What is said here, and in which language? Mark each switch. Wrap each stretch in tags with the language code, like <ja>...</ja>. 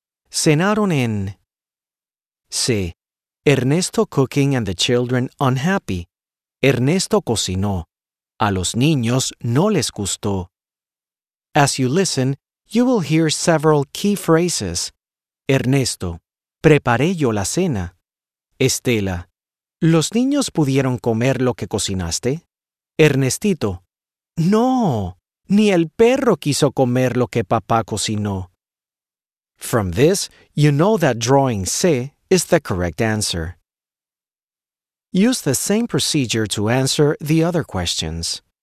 <es>Cenaron en.</es> <en>C. Ernesto cooking and the children unhappy.</en> <es>Ernesto cocinó. A los niños no les gustó.</es> <en>As you listen, you will hear several key phrases.</en> <es>Ernesto, preparé yo la cena. Estela, ¿los niños pudieron comer lo que cocinaste? Ernestito, no, ni el perro quiso comer lo que papá cocinó.</es> <en>From this, you know that drawing C is the correct answer. Use the same procedure to answer the other questions.</en>